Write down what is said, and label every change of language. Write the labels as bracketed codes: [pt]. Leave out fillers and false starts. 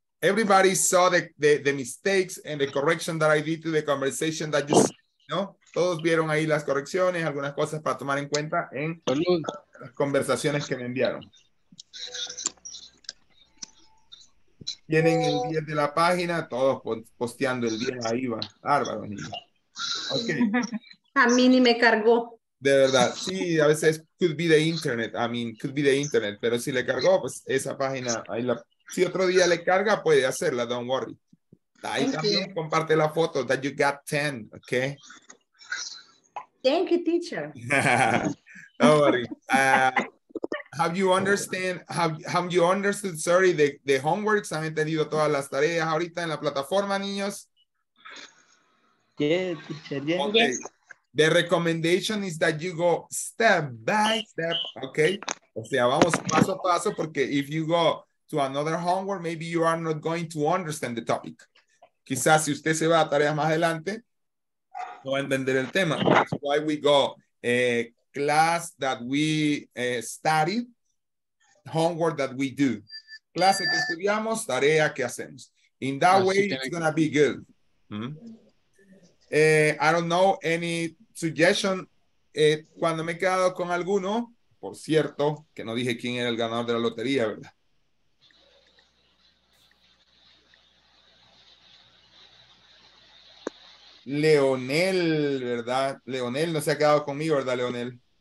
[en] Everybody saw the mistakes and the correction that I did to the conversation that you saw, ¿no? [es] Todos vieron ahí las correcciones, algunas cosas para tomar en cuenta en las conversaciones que me enviaron. Tienen el 10 de la página, todos posteando el 10, ahí va. Bárbaro, niño. Okay. A mí ni me cargó. De verdad, sí, a veces [en] could be the internet, [es] I mean, could be the internet, pero si le cargó, pues esa página, ahí la, si otro día le carga, puede hacerla, [en] don't worry. [es] Ahí también comparte la foto, [en] that you got 10, [es] ok. [en] Thank you, teacher. Don't worry. Have you understood, sorry, the homeworks? [es] ¿Han entendido todas las tareas ahorita en la plataforma, niños? [en] Yeah, teacher, yeah. Okay. Yes. The recommendation is that you go step by step, okay? [es] O sea, vamos paso a paso, porque [en] if you go to another homework, maybe you are not going to understand the topic. [es] Quizás si usted se va a tareas más adelante, no va a entender el tema. [en] That's why we go class that we study, homework that we do. [es] Clase que estudiamos, tarea que hacemos. [en] In that así way, it's going to be good. Mm-hmm. I don't know any suggestion. [es] Cuando me he quedado con alguno, por cierto, que no dije quién era el ganador de la lotería, ¿verdad? Leonel, ¿verdad? Leonel no se ha quedado conmigo, ¿verdad, Leonel?